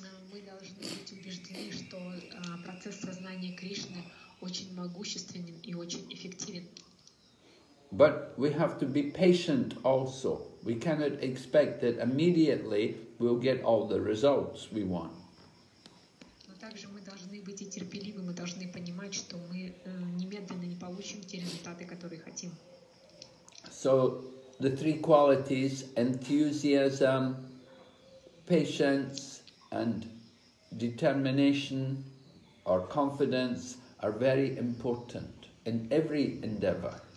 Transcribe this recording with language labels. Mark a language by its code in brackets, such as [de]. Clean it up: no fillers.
[ru] Мы должны быть убеждены, что процесс сознания Кришны очень могущественен и очень эффективен. [en] But we have to be patient also. We cannot expect that immediately we'll get all the results we want. [ru] Но также мы должны быть и терпеливы, мы должны понимать, что мы немедленно не получим те результаты, которые хотим. [en] So the three qualities: enthusiasm, patience and determination or confidence are very important in every endeavor.